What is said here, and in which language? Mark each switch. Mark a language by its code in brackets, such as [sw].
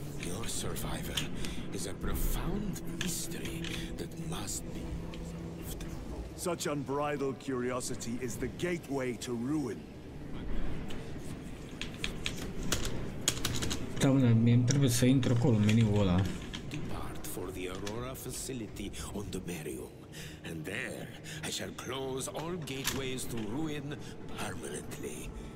[en] Your survival is a profound mystery that must be solved. Such unbridled curiosity is the gateway to ruin. [ro] Doamne, mie îmi trebuie să intru acolo, în meniul ăla. [en] Depart for the Aurora facility on the Merium. And there, I shall close all gateways to ruin permanently.